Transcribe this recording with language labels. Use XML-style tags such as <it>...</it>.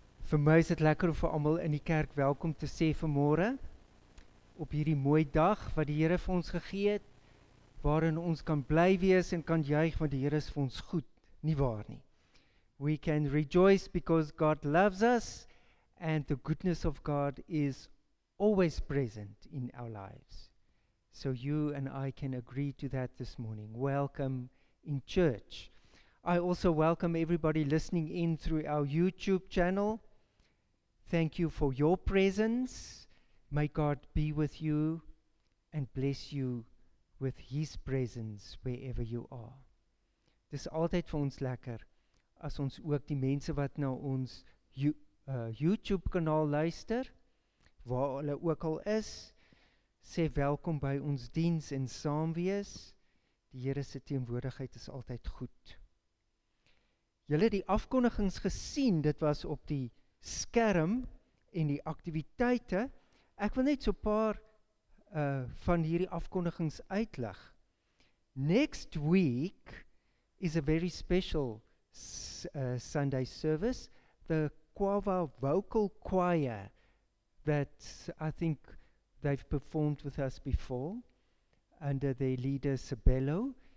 <af>Vir my is dit lekker om vir almal in die kerk welkom te sê vanmôre op hierdie mooi dag wat die Here vir ons gegee het, waarin ons kan bly wees en kan juig want die Here is vir ons goed, nie waar nie.</af> <en>We can rejoice because God loves us and the goodness of God is always present in our lives. So you and I can agree to that this morning. Welcome in church. I also welcome everybody listening in through our YouTube channel. Thank you for your presence. May God be with you and bless you with His presence wherever you are.</en> <af>Dit is altyd vir ons lekker as ons ook die mense wat na ons YouTube kanaal luister, waar hulle ook al is, sê welkom by ons diens en saam wees. Die Here se teenwoordigheid is altyd goed. Julle het die afkondigings gesien, dit was op die skerm en die aktiwiteite. Ek wil net so paar van hierdie afkondigings uitleg.</af> <en>Next week is a very special Sunday service. The Quava Vocal Choir that I think they've performed with us before under their leader Sabello.</en>